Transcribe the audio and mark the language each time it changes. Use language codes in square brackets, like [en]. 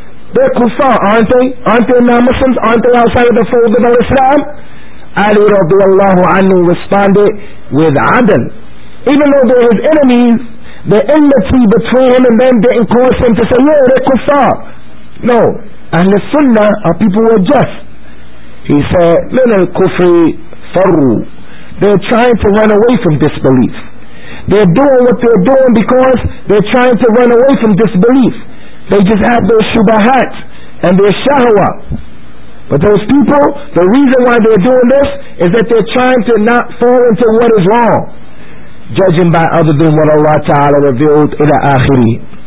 [en] They're kuffar, aren't they? Aren't they non-Muslims? Aren't they outside of the fold of Islam? Ali radiallahu anhu responded with adl. Even though they're his enemies, the enmity between him and them didn't cause him to say, yeah, they're kuffar. No. And the sunnah are people who are just. He said, [ar] من الكفر فروا. [en] They're trying to run away from disbelief. They're doing what they're doing because they're trying to run away from disbelief. They just have their shubahat and their shahwa. But those people, the reason why they're doing this is that they're trying to not fall into what is wrong, judging by other than what Allah Ta'ala revealed in the akhiri.